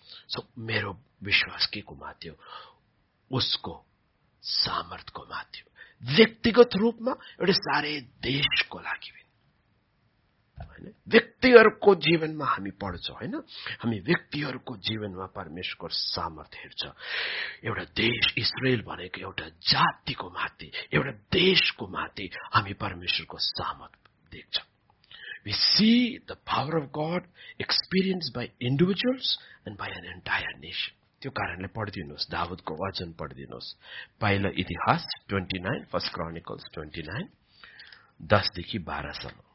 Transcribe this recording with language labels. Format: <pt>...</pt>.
<ne>So मेरो विश्वास के को माथि हो? उसको सामर्थ्यको माथि हो. व्यक्तिगत रूपमा एउटा सारे देशको लागि पनि होइन, व्यक्तिहरूको जीवनमा हामी पढ्छौँ होइन, हामी व्यक्तिहरूको जीवनमा परमेश्वरको सामर्थ्य हेर्छ. एउटा देश इस्रायल भनेको एउटा जातिको माथि, एउटा देशको माथि हामी परमेश्वरको सामर्थ्य देख्छौँ.</ne> <en>We see the power of God experienced by individuals and by an entire nation.</en> <ne>त्यो कारणले पढिदिनुहोस्, दाउदको वचन पढिदिनुहोस्. पहिलो इतिहास 29, फर्स्ट क्रोनिकल्स 29, 10 12.</ne>